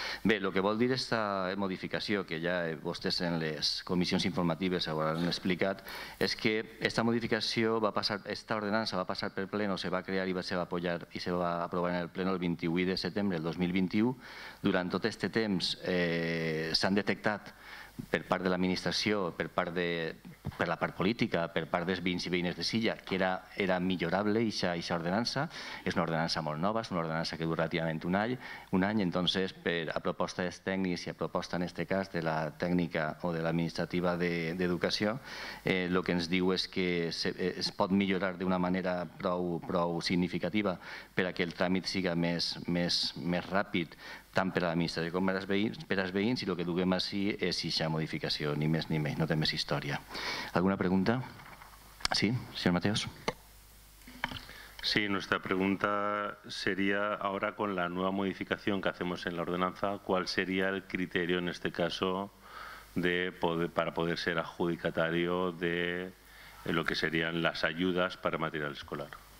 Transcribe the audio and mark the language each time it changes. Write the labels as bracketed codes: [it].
[es] Bé, lo que vol dir esta modificación, que ya vostès en las comisiones informativas ahora han explicat, es que esta modificación va a pasar, esta ordenanza va a pasar por pleno, se va a crear y se va a apoyar y se va a aprobar en el pleno el 28 de septiembre del 2021. Durante todo este temps, [ca] s'han detectat per part de l'administració, per la part política, per part dels veïns i veïnes de Silla, que era millorable aquesta ordenança. És una ordenança molt nova, és una ordenança que dura relativament un any, entonces, per a proposta dels tècnics i a proposta, en aquest cas, de la tècnica o de l'administrativa d'educació, el que ens diu és que es pot millorar d'una manera prou significativa per a que el tràmit siga més ràpid, tant per a l'administració com per als veïns, i el que duguem així és aquesta modificació, ni més ni menys, no té més història. Alguna pregunta? Sí, senyor Mateos. [es] Sí, nuestra pregunta sería ahora con la nueva modificación que hacemos en la ordenanza, ¿cuál sería el criterio en este caso para poder ser adjudicatario de lo que serían las ayudas para material escolar?